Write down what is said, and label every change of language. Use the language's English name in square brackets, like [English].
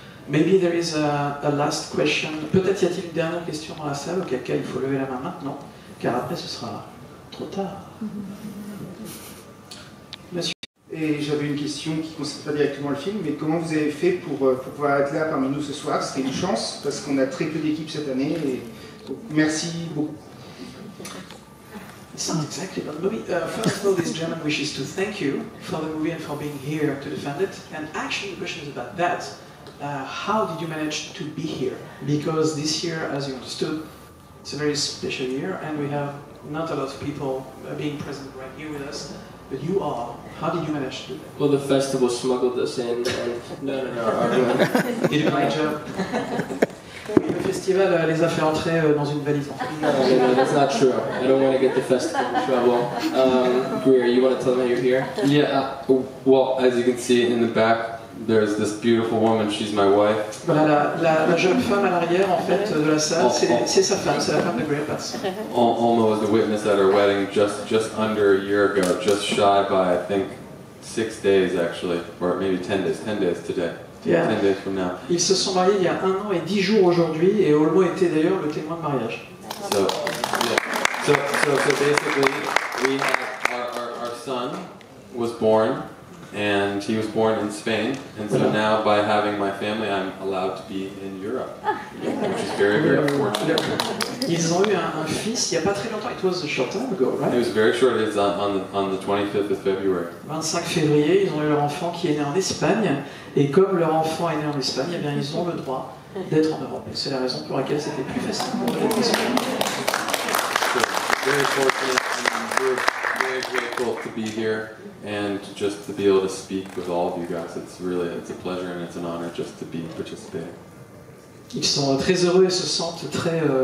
[English] Maybe there is a last question. [French] Peut-être y a-t-il une dernière question dans la salle, auquel cas il faut lever la main maintenant, car après ce sera trop tard. Monsieur. Et j'avais une question qui ne concerne pas directement le film, mais comment vous avez fait pour pouvoir être là parmi nous ce soir? C'était une chance, parce qu'on a très peu d'équipes cette année. Et donc, merci beaucoup. [English] It's not exactly, but movie. First of all, this gentleman wishes to thank you for the movie and for being here to defend it. And actually, the question is about that. How did you manage to be here? Because this year, as you understood, it's a very special year, and we have not a lot of people being present right here with us. But you are. How did you manage to do that? Well, the festival smuggled us in. And did a great job. [French] Le festival les a fait entrer dans une valise. [English] No, that's not true. I don't want to get the festival in trouble. Greer, you want to tell them you're here? Yeah. Well, as you can see in the back, there's this beautiful woman. She's my wife. [French] Voilà, la jeune femme à l'arrière, en fait, de la salle, c'est sa femme, c'est la femme de Greer Pass. [English] Alma was a witness at her wedding just under a year ago, just shy by, I think, 6 days, actually, or maybe 10 days, 10 days today. Yeah. 10 days from now. [French] Ils se sont mariés il y a un an et 10 jours aujourd'hui, et Olmo était d'ailleurs le témoin de mariage. [English] So, yeah. So basically, we had our son was born, and he was born in Spain, and so now by having my family, I'm allowed to be in Europe, which is very, very fortunate. [French] Ils ont eu un fils il y a pas très longtemps. [English] It was a short time ago, right? It was very short. It's on the 25th of February. [French] 25 février, ils ont eu leur enfant qui est né en Espagne. Et comme leur enfant est né en Espagne, eh bien, ils ont le droit d'être en Europe. Et c'est la raison pour laquelle c'était plus facile pour eux d'être en Espagne. [English] Very fortunate and very grateful to be here and just to be able to speak with all of you guys. It's really, it's a pleasure and it's an honor just to be participating. [French] Ils sont très heureux et se sentent très...